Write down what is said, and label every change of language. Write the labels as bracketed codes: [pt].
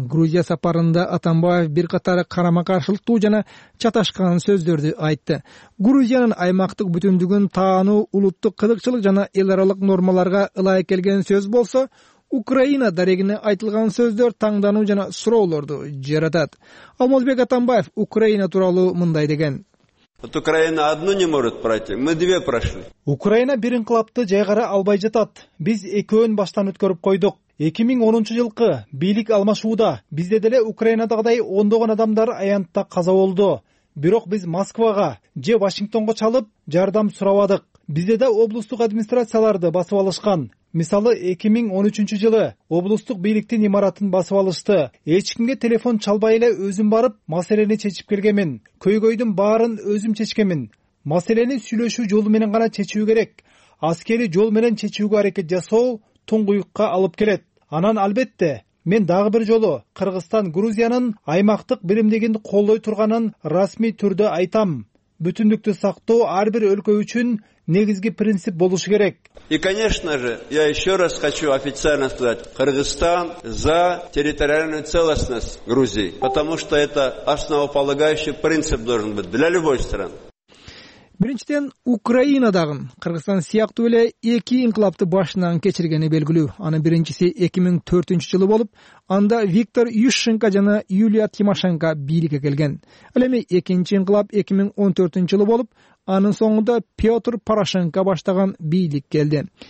[ky] Грузия сапарында Атамбаев бир катары карама каршылыктуу жана чаташкан сөздөрдү айтты. Грузиянын аймактык бүтүндүгүн таануу улуттук кызыкчылык жана эл аралык нормаларга ылайык келген сөз болсо, Украина дарегине айтылган сөздөр таңдануу жана суроолорду жаратат. Алмазбек Атамбаев Украина тууралуу мындай деген. [ru] Вот Украина одну не может пройти, мы две прошли. [ky] Украина бир инкылапты жайгара албай жатат. Биз экөөн баштан өткөрүп койдук. 2010 жылкы бийлик алмашууда бизде деле Украинадагыдай ондогон адамдар аянтта каза болду. Бирок биз Москвага же Вашингтонго чалып жардам сурабадык. Бизде да облустук администрацияларды басып алышкан. Мисалы 2013 жылы облустук бийликтин имаратын басып алышты. Эч кимге телефон чалбай эле өзүм барып маселени чечип келгемин. Көйгөйдүн баарын өзүм чечкемин. Маселени сүйлөшүү жолу менен гана чечүү керек. Аскерий жол менен чечүүгө аракет жасоо туңгуюкка алып келет. Анан албетте мен дагы бир жолу Кыргызстан Грузиянын аймактык биримдигин колдой турганын расмий түрдө айтам. Бүтүндүктү сактоо ар бир өлкө үчүн негизги принцип болушу керек. [ru] И, конечно же, я еще раз хочу официально сказать, Кыргызстан за территориальную целостность Грузии, потому что это основополагающий принцип должен быть для любой страны. [ky] Биринчиден Украинадагын Кыргызстан сыяктуу эле эки инкылапты башынан кечиргени белгилүү. Анын биринчиси 2004-жылы болуп, анда Виктор Ющенко жана Юлия Тимошенко бийликке келген. Ал эми экинчи инкылап 2014-жылы болуп, анын соңунда Петр Порошенко баштаган бийлик келди.